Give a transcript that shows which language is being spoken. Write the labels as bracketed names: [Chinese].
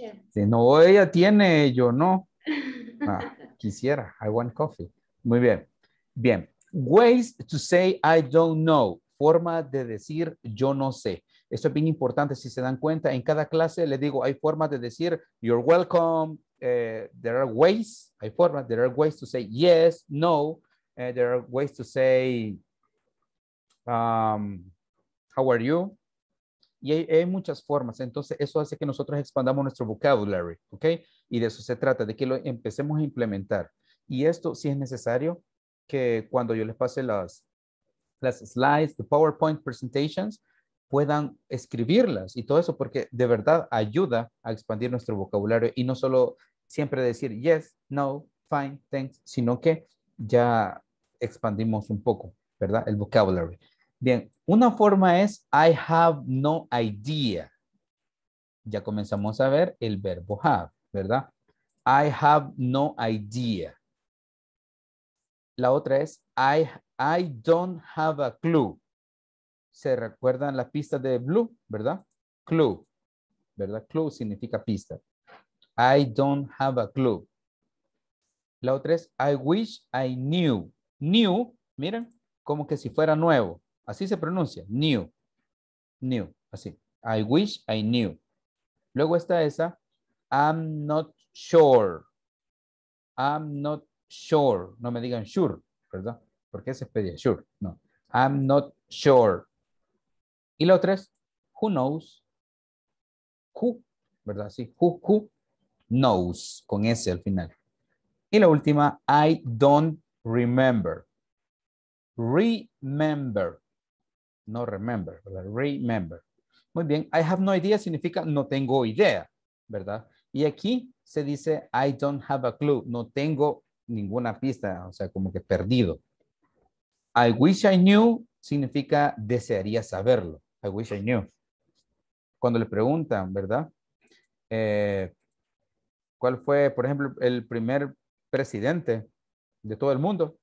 [Spanish] si no, ella tiene, yo no. Ah, quisiera. [English] I want coffee. [Spanish] Muy bien. Bien. [English] Ways to say I don't know. [Spanish] Forma de decir yo no sé. Esto es bien importante. Si se dan cuenta, en cada clase les digo, hay formas de decir [English] you're welcome. There are ways. [Spanish] Hay formas. [English] There are ways to say yes, no. There are ways to say how are you. [Spanish] Y hay muchas formas. Entonces, eso hace que nosotros expandamos nuestro vocabulary, ¿ok? Y de eso se trata, de que lo empecemos a implementar. Y esto sí es necesario que cuando yo les pase las slides, [English] the PowerPoint presentations, [Spanish] puedan escribirlas y todo eso, porque de verdad ayuda a expandir nuestro vocabulario y no solo siempre decir [English] yes, no, fine, thanks, [Spanish] sino que ya expandimos un poco, ¿verdad? El vocabulary. Bien, una forma es [English] I have no idea. [Spanish] Ya comenzamos a ver el verbo have, ¿verdad? [English] I have no idea. [Spanish] La otra es [English] I don't have a clue. [Spanish] se recuerdan las pistas de blue, ¿verdad? Clue, ¿verdad? [English] Clue [Spanish] significa pista. [English] I don't have a clue. [Spanish] La otra es [English] I wish I knew. [Spanish] New, miren, como que si fuera nuevo. Así se pronuncia, [English] new. New, así. I wish I knew. [Spanish] Luego está esa, [English] I'm not sure. I'm not sure. [Spanish] No me digan sure, ¿verdad? Porque ese es pedir sure. No. [English] I'm not sure. [Spanish] Y la otra es, [English] who knows? Who, ¿verdad? [Spanish] Sí, [English] who knows, [Spanish] con S al final. Y la última, [English] I don't remember. [Spanish] Remember. No remember, ¿verdad? Remember. Muy bien, [English] I have no idea [Spanish] significa no tengo idea, ¿verdad? Y aquí se dice, [English] I don't have a clue. [Spanish] No tengo ninguna pista, o sea, como que perdido. [English] I wish I knew [Spanish] significa desearía saberlo. [English] I wish I knew. [Spanish] Cuando le preguntan, ¿verdad? ¿Cuál fue, por ejemplo, el primer presidente de todo el mundo?